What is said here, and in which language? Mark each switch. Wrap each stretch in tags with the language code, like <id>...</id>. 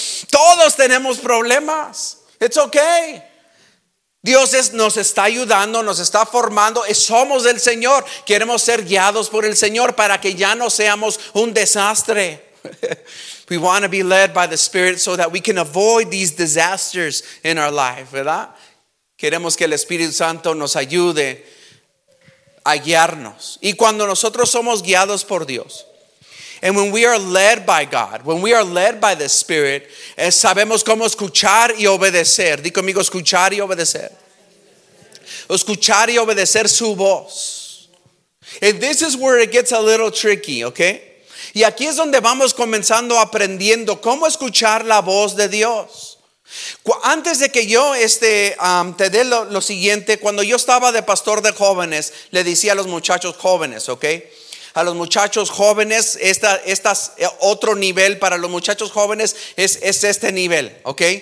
<es>Todos tenemos problemas.</es> <en>It's okay.</en> <es>Dios nos está ayudando, nos está formando. Somos del Señor. Queremos ser guiados por el Señor para que ya no seamos un desastre.</es> <en>We want to be led by the Spirit so that we can avoid these disasters in our life,</en> <es>¿verdad? Queremos que el Espíritu Santo nos ayude a guiarnos. Y cuando nosotros somos guiados por Dios,</es> <en>and when we are led by God, when we are led by the Spirit,</en> <es>sabemos cómo escuchar y obedecer. Dí conmigo, escuchar y obedecer. Escuchar y obedecer su voz.</es> <en>And this is where it gets a little tricky, okay?</en> <es>Y aquí es donde vamos comenzando aprendiendo cómo escuchar la voz de Dios. Antes de que yo te dé lo siguiente, cuando yo estaba de pastor de jóvenes, le decía a los muchachos jóvenes, ok, a los muchachos jóvenes, estas otro nivel para los muchachos jóvenes es este nivel, ok.</es>